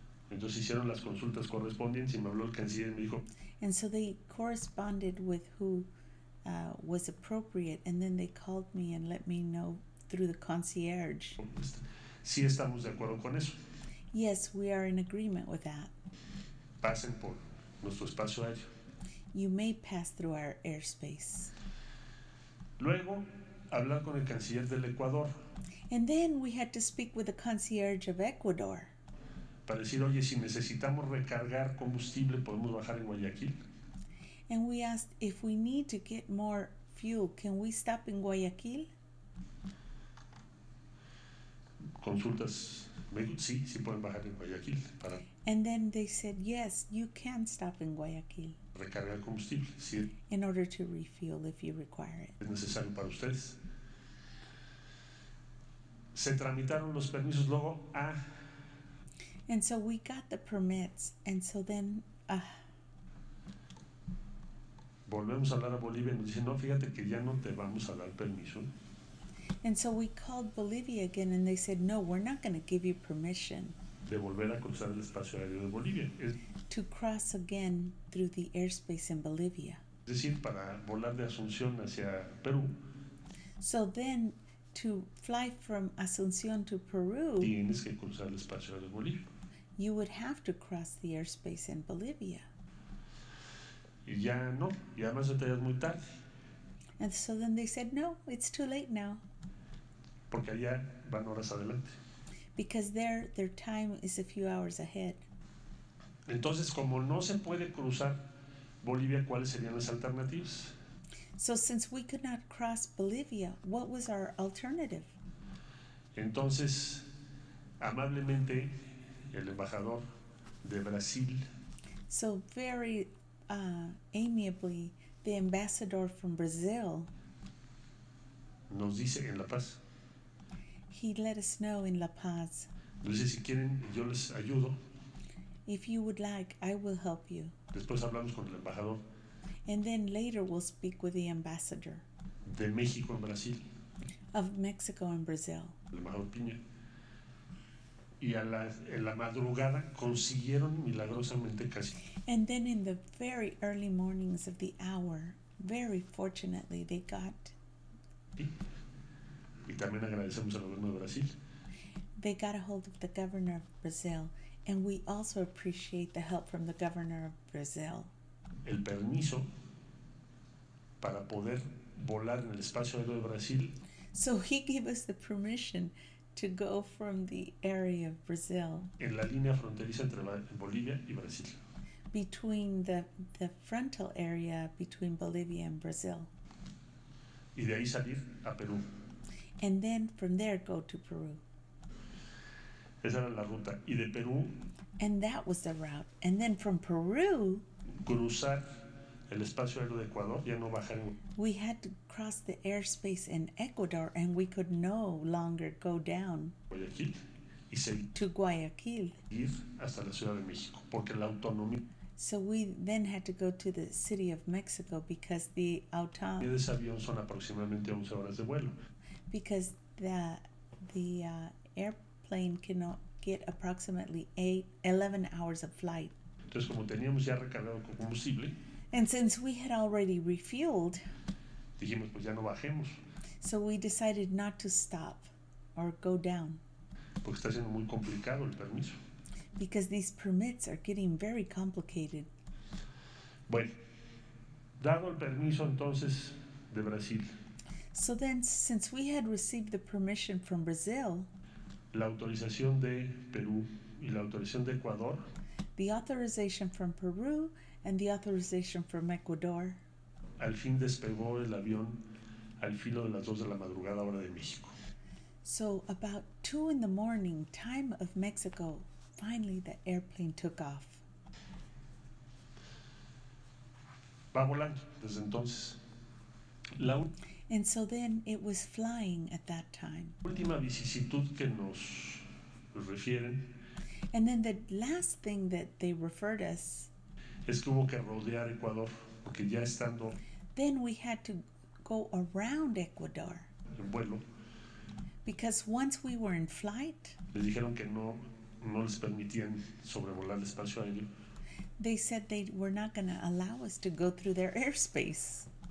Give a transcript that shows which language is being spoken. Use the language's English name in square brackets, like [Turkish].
[Spanish] Entonces hicieron las consultas correspondientes y me habló el canciller y me dijo. [English] And so they corresponded with who was appropriate, and then they called me and let me know through the concierge. [Spanish] Sí, estamos de acuerdo con eso. [English] Yes, we are in agreement with that. [Spanish] Pasen por nuestro espacio aéreo. [English] You may pass through our airspace. [Spanish] Luego, hablar con el canciller del Ecuador. [English] And then we had to speak with the concierge of Ecuador. [Spanish] Para decir, oye, si necesitamos recargar combustible, podemos bajar en Guayaquil. [English] And we asked, if we need to get more fuel, can we stop in Guayaquil? [Spanish] Consultas, sí, sí pueden bajar en Guayaquil. Para. [English] And then they said, yes, you can stop in Guayaquil. [Spanish] Recargar combustible, sí. [English] In order to refuel if you require it. [Spanish] Es necesario para ustedes. Se tramitaron los permisos luego a. [English] And so we got the permits, and so then. [Spanish] Volvemos a hablar a Bolivia y nos dicen, no, fíjate que ya no te vamos a dar permiso. [English] And so we called Bolivia again and they said, no, we're not going to give you permission. [Spanish] De volver a cruzar el espacio aéreo de Bolivia. [English] To cross again through the airspace in Bolivia. [Spanish] Es decir, para volar de Asunción hacia Perú. [English] So then to fly from Asunción to Peru. [Spanish] Tienes que cruzar el espacio aéreo de Bolivia. [English] You would have to cross the airspace in Bolivia. [Spanish] Ya no, y además ya es muy tarde. [English] And so then they said, no, it's too late now. [Spanish] Porque allá van horas adelante. [English] Because their time is a few hours ahead. [Spanish] Entonces, como no se puede cruzar Bolivia, ¿cuáles serían las alternativas? [English] So since we could not cross Bolivia, what was our alternative? [Spanish] Entonces, amablemente, el embajador de Brasil. [English] So very amiably, the ambassador from Brazil [Spanish] nos dice en La Paz. [English] He let us know in La Paz. [Spanish] Nos dice, si quieren, yo les ayudo. [English] If you would like, I will help you. [Spanish] Después hablamos con el embajador. [English] And then later we'll speak with the ambassador. [Spanish] De México en Brasil. [English] Of Mexico and Brazil. [Spanish] El embajador Piña. Y en la madrugada consiguieron milagrosamente casi. [English] And then in the very early mornings of the hour, very fortunately, they got. [Spanish] Y también agradecemos al gobierno de Brasil. [English] They got a hold of the governor of Brazil, and we also appreciate the help from the governor of Brazil. [Spanish] El permiso para poder volar en el espacio aéreo de Brasil. [English] So he gave us the permission to go from the area of Brazil. [Spanish] En la línea fronteriza entre Bolivia y Brasil. [English] Between the frontal area between Bolivia and Brazil. [Spanish] Y de ahí salir a Perú. [English] And then from there go to Peru. [Spanish] Esa era la ruta. Y de Perú. [English] And that was the route. And then from Peru. [Spanish] Cruzar el espacio aéreo de Ecuador, ya no bajar. [English] We had to cross the airspace in Ecuador and we could no longer go down [Spanish] Guayaquil y seguir [English] to Guayaquil. [Spanish] Ir hasta la Ciudad de México porque la autonomía. [English] So we then had to go to the City of Mexico because the autonomía [Spanish] de ese avión son aproximadamente 11 horas de vuelo. [English] Because the airplane cannot get approximately 11 hours of flight. [Spanish] Entonces, como teníamos ya recargado con combustible. [English] And since we had already refueled, [Spanish] dijimos, pues ya no bajemos. [English] So we decided not to stop or go down. [Spanish] Porque está siendo muy complicado el permiso. [English] Because these permits are getting very complicated. [Spanish] Bueno, dado el permiso entonces de Brasil. [English] So then, since we had received the permission from Brazil, [Spanish] la autorización de Perú y la autorización de Ecuador, [English] the authorization from Peru and the authorization from Ecuador. [Spanish] al fin despegó el avión al filo de las 2 de la madrugada hora de México. [English] So about 2 in the morning, time of Mexico, finally the airplane took off. [Spanish] Va volando desde entonces. [English] And so then it was flying at that time. [Spanish] Última vicisitud que nos refieren. [English] And then the last thing that they referred us. [Spanish] Es que hubo que rodear Ecuador, porque ya estando. [English] Then we had to go around Ecuador. [Spanish] En vuelo. [English] Because once we were in flight. [Spanish] Les dijeron que no les permitían sobrevolar el espacio aéreo. [English] They said they were not going to allow us to go through their airspace.